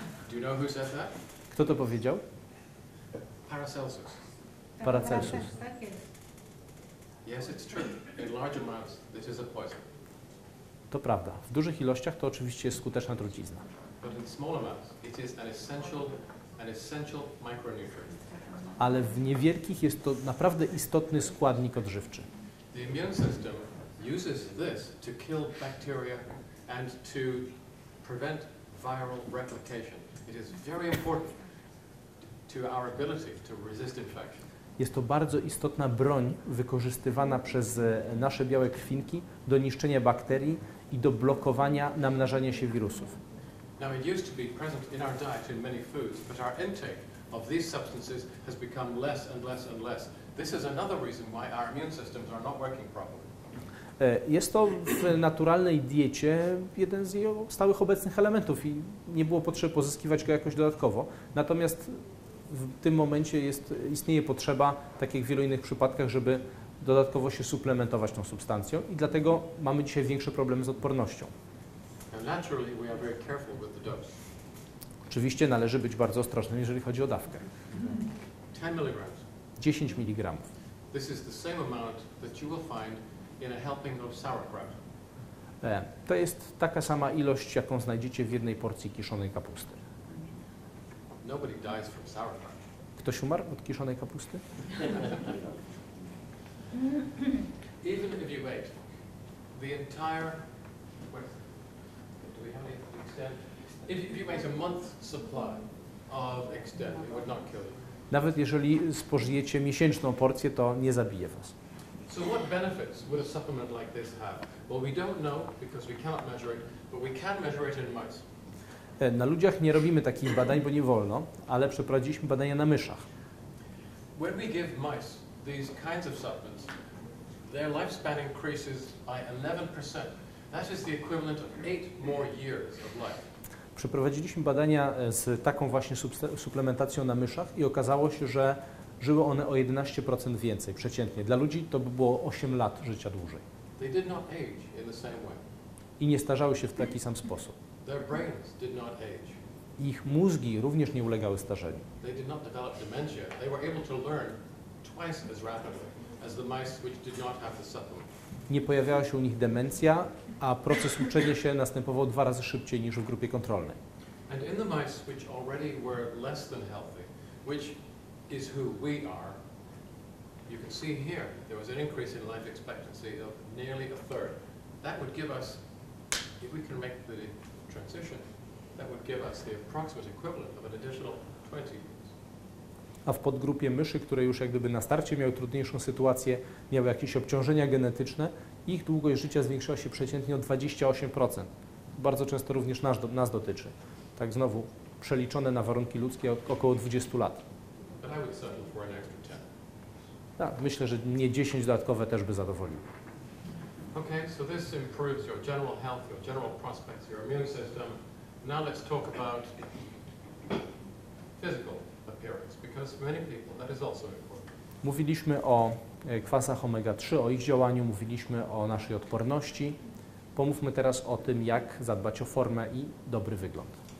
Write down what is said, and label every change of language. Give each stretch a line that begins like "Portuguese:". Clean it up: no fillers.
English: Do you know who said that?
Polish: Kto to powiedział?
English: Paracelsus.
Polish: Paracelsus.
English: Yes, it's true. In large amounts, this is a poison.
Polish: To prawda. W dużych ilościach to oczywiście jest skuteczna trucizna.
English: But in small amounts, it is an essential micronutrient.
Polish: Ale w niewielkich jest to naprawdę istotny składnik odżywczy.
English: The immune system uses this to kill bacteria and to prevent viral replication. It is very important to our ability to resist infection.
Polish: Jest to bardzo istotna broń wykorzystywana przez nasze białe krwinki do niszczenia bakterii i do blokowania namnażania się wirusów.
English: Now it used to be present in our diet in many foods, but our intake of these substances has become less and less and less. This is another reason why our immune systems are not working properly.
Polish: Jest to w naturalnej diecie jeden z jej stałych obecnych elementów i nie było potrzeby pozyskiwać go jakoś dodatkowo. Natomiast w tym momencie istnieje potrzeba, tak jak w wielu innych przypadkach, żeby dodatkowo się suplementować tą substancją i dlatego mamy dzisiaj większe problemy z odpornością.
English: Naturally we are very careful with the dose.
Polish: Oczywiście należy być bardzo ostrożnym, jeżeli chodzi o dawkę.
English: 10 mg.
Polish: 10 mg.
English: This is the same amount that you will find in a helping of sauerkraut.
Polish: To jest taka sama ilość, jaką znajdziecie w jednej porcji kiszonej kapusty.
English: Nobody dies from sauerkraut.
Polish: Ktoś umarł od kiszonej kapusty?
English: Even if you ate the entire, do we have any extent? If you ate a month's supply of extent, it would not kill you.
Polish: Nawet jeżeli spożyjecie miesięczną porcję, to nie zabije was.
English: So what benefits would a supplement like this have? Well, we don't know because we cannot measure it, but we can measure it in mice.
Polish: Na ludziach nie robimy takich badań, bo nie wolno, ale przeprowadziliśmy badania na myszach.
English: When we give mice these kinds of supplements, their lifespan increases by 11%. That is the equivalent of 8 more years of life.
Polish: Przeprowadziliśmy badania z taką właśnie suplementacją na myszach i okazało się, że żyły one o 11% więcej przeciętnie. Dla ludzi to by było 8 lat życia dłużej.
English: They did not age in the same way.
Polish: I nie starzały się w taki sam sposób.
English: Their brains did not age.
Polish: Ich mózgi również nie ulegały starzeniu.
English: They did not develop dementia. They were able to learn twice as rapidly as the mice which did not have the supplement.
Polish: Nie pojawiała się u nich demencja, a proces uczenia się następował dwa razy szybciej niż w grupie kontrolnej.
English: And in the mice which already were less than healthy, which is who we are, you can see here there was an increase in life expectancy of nearly a third. that would give us, if we can make the transition, that would give us the approximate equivalent of an additional 20 years.
Polish: A w podgrupie myszy, które już jak gdyby na starcie miały trudniejszą sytuację, miały jakieś obciążenia genetyczne, ich długość życia zwiększyła się przeciętnie o 28%. Bardzo często również nas dotyczy. Tak znowu, przeliczone na warunki ludzkie około 20 lat.
English: But I would settle for an extra 10.
Polish: Tak, myślę, że nie 10 dodatkowe też by zadowoliły.
English: Okay, so this improves your general health, your general prospects, your immune system. Now let's talk about physical appearance, because for many people that is also important.
Polish: Mówiliśmy o kwasach omega-3, o ich działaniu, mówiliśmy o naszej odporności. Pomówmy teraz o tym, jak zadbać o formę i dobry wygląd.